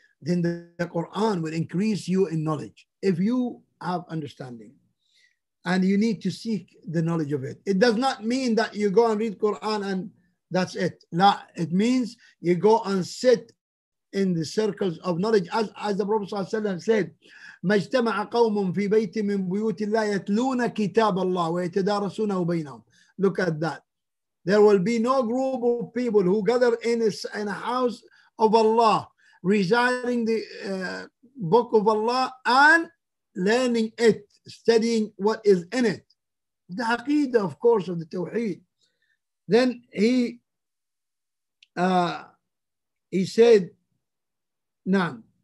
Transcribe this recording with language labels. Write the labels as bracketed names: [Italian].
[English] then the Quran will increase you in knowledge. If you have understanding and you need to seek the knowledge of it, it does not mean that you go and read Quran and that's it. No, it means you go and sit in the circles of knowledge. As the Prophet ﷺ said, [Arabic] مَجْتَمَعَ قَوْمٌ فِي بَيْتٍ مِنْ بُيُوتِ اللَّهِ يَتْلُونَ كِتَابَ اللَّهِ وَيَتَدَارَسُونَهُ بَيْنَهُمْ. [English] Look at that. There will be no group of people who gather in a house of Allah, residing the book of Allah and learning it, studying what is in it. The aqidah, of course, of the Tawheed. Then he said, Naam.